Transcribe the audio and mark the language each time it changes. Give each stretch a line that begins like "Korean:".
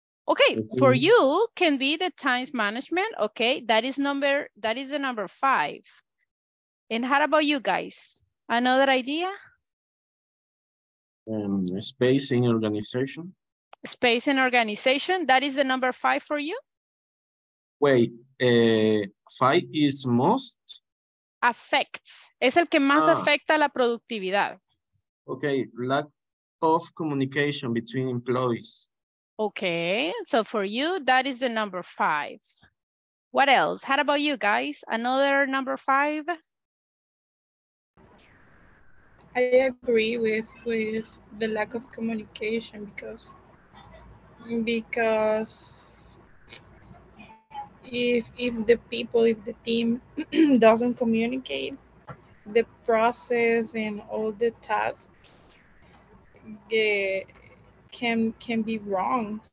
English: Okay, for you can be the time management. Okay, that is the number 5. And how about you guys? Another idea? Space in organization. Space in organization, that is the number five for you? Wait, five is most?
Spanish: Affects, es el que más afecta la productividad.
English: Okay, lack of communication between employees. Okay, so for you, that is the number five. What else? How about you guys? Another number five? I agree with the lack of communication because if the people, if the team doesn't communicate, the process and all the tasks can be wrong.